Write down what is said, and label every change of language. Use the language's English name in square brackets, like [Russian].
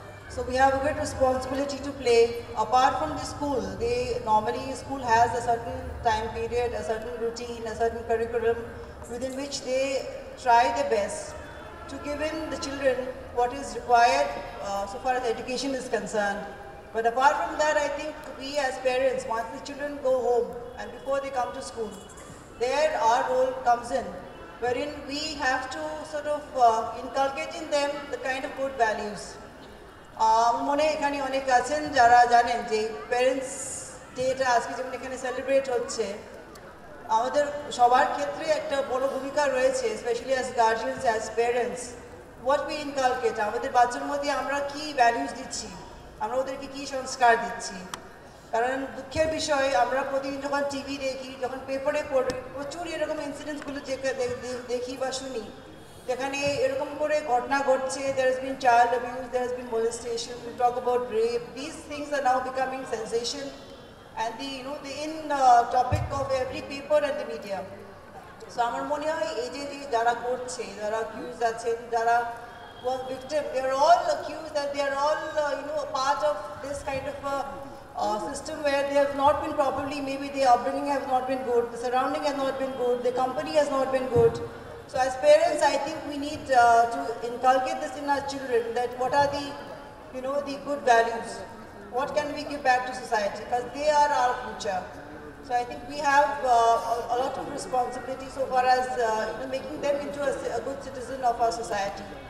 [English] So we have a great responsibility to play. Apart from the school, normally school has a certain time period, a certain routine, a certain curriculum within which they try their best to give in the children what is required so far as education is concerned. But apart from that, I think we as parents, once the children go home and before they come to school, there our role comes in, wherein we have to sort of inculcate in them the kind of good values. [Bangla] মনে এখানে অনেক আছেন যারা জানেন যে parents data আজকে যেমন এখানে সেলিব্রেট হচ্ছে, আমাদের সবার ক্ষেত্রে একটা বড় ভূমিকা রয়েছে, [English] specially as guardians, as parents, what we inculcate, [Bangla] আমাদের বাচ্চার মধ্যে আমরা কী ভ্যালিউস দিচ্ছি, আমরা ওদেরকে কী সংস্কার দিচ্ছি। কারণ দুঃখের বিষয়, আমরা প্রতিদিন যখন টিভি দেখি, যখন পেপারে পড়ি, প্রচুর এরকম ইনসিডেন্টসগুলো দেখি বা শুনি যেখানে এরকম করে ঘটনা ঘটছে, [English] There has been child abuse, there has been molestation, we talk about rape, this things are now becoming sensation and the you know the in topic of every paper and the media. So [Bangla] আমার মনে হয় এই যে যারা করছে, যারা accused আছেন, [English] যারা was victim, they are all accused and they are all you know part of this kind of system where they have not been properly, maybe they upbringing has not been good, the surrounding has not been good, the company has not been good. So as parents, I think we need to inculcate this in our children, that what are the, you know, the good values, what can we give back to society, because they are our future. So I think we have a lot of responsibility so far as you know, making them into a good citizen of our society.